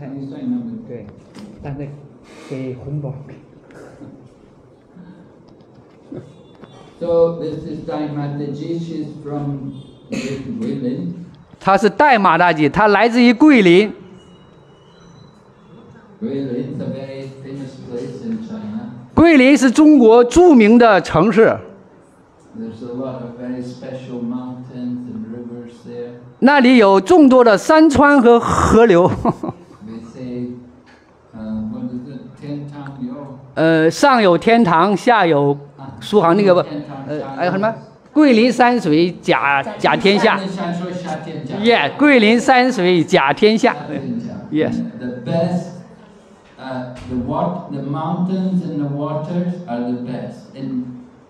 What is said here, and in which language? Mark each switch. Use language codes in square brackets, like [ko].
[zh] 还在那边。对，但是给红包。 [en] So this is Dai Mataji. She's from Guilin. [zh] 她是戴马大姐，她来自于桂林。 [en] Guilin is a very famous place in China. [zh] 桂林是中国著名的城市。 [en] There's a lot of very special mountains and rivers there. [zh] 那里有众多的山川和河流。 [en] They say, what is it? [zh] 天堂有。上有天堂，下有苏杭那个不，哎什么？桂林山水甲甲天下。 Yeah, 桂林山水甲天下。 [en] Yes. The best, the water, the mountains and the waters are the best in